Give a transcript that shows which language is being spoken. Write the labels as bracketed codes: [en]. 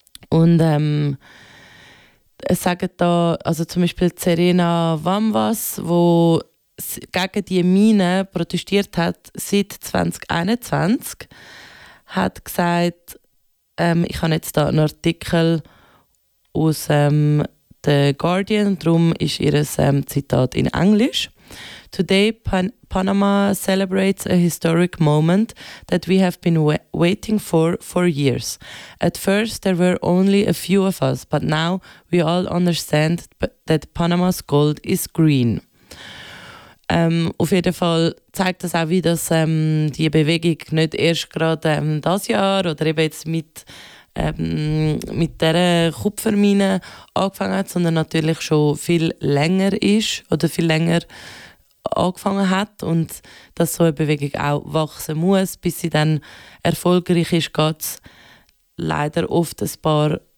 [de] Und es sagen da, also zum Beispiel Serena Wamwas, die gegen die Mine protestiert hat seit 2021, hat gesagt, ich habe jetzt da einen Artikel aus The Guardian, darum ist ihr Zitat in Englisch. [en] Today Panama celebrates a historic moment that we have been waiting for years. At first there were only a few of us, but now we all understand that Panama's gold is green. [de] Auf jeden Fall zeigt das auch, wie dass die Bewegung nicht erst gerade das Jahr oder eben jetzt mit dieser Kupfermine angefangen hat, sondern natürlich schon viel länger ist oder viel länger angefangen hat und dass so eine Bewegung auch wachsen muss, bis sie dann erfolgreich ist, geht es leider oft ein paar